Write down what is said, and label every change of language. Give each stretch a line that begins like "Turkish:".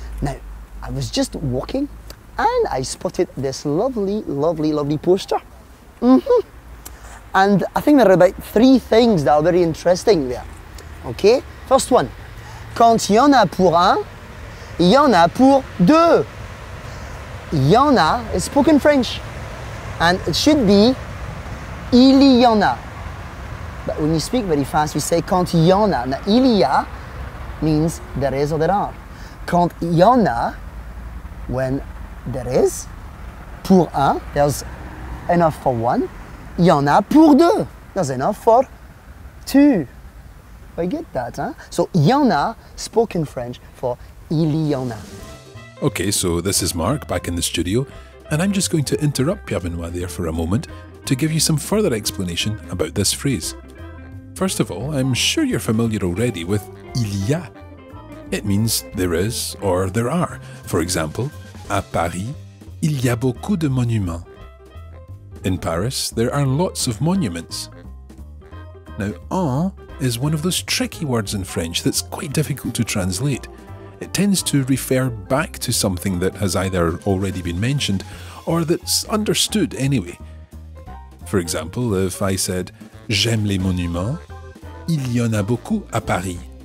English: Now, I was just walking and I spotted this lovely, lovely, lovely poster. And I think there are about three things that are very interesting there, okay? First one,
French: quand il y en a pour un, il y en a pour deux. Il y en a
English: is spoken French, and it should be
French: il y en a.
English: But when you speak very fast, we say
French: quand il y en a.
English: Now,
French: il y a
English: means there is or there are.
French: Quand il y en a,
English: when there is,
French: pour un,
English: there's enough for one.
French: Il y en a pour deux,
English: there's enough for two. I get that, huh? So,
French: il y en a,
English: spoken French for il y en a. Okay, so this is Mark back in the studio, and I'm just going to interrupt Pierre-Benoît there for a moment to give you some further explanation about this phrase. First of all, I'm sure you're familiar already with
French: il y a.
English: It means there is or there are. For example,
French: à Paris, il y a beaucoup de monuments.
English: In Paris, there are lots of monuments. Now, en is one of those tricky words in French that's quite difficult to translate. It tends to refer back to something that has either already been mentioned or that's understood anyway. For example, if I said,
French: j'aime les monuments, il y en a beaucoup à Paris.